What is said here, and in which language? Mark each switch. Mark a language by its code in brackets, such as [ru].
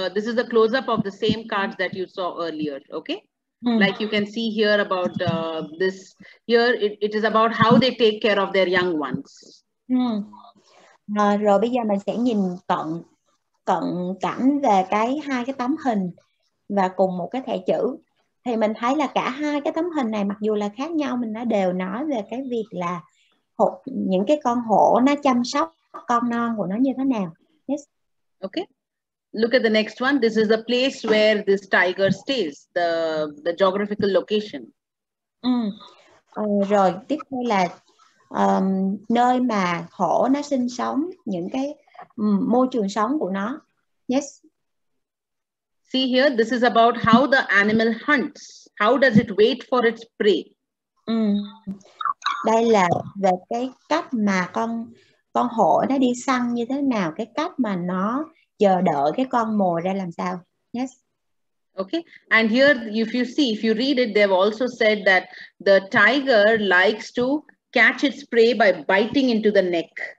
[en] This is a close-up of the same cards that you saw earlier. Okay. Like you can see here about this. Here it is about how they take care of their young ones. [vi] Rồi bây giờ mình sẽ nhìn cận cận cảnh về cái hai cái tấm hình và cùng một cái thẻ chữ. Thì mình thấy là cả hai cái tấm hình này mặc dù là khác nhau, mình đã đều nói về cái việc là những cái con hổ nó chăm sóc con non của nó như thế nào. [en] Yes. Okay. Look at the next one. This is a place where this tiger stays. The geographical location. [vi] Rồi tiếp theo là nơi mà hổ nó sinh sống, những cái môi trường sống của nó. [en] Yes. See here, this is about how the animal hunts. How does it wait for its prey? [vi] Đây là về cái cách mà con hổ nó đi săn như thế nào, cái cách mà nó chờ đợi cái con mồi ra làm sao. [en] Yes. Okay. And here, if you see, if you read it, they've also said that the tiger likes to catch its prey by biting into the neck.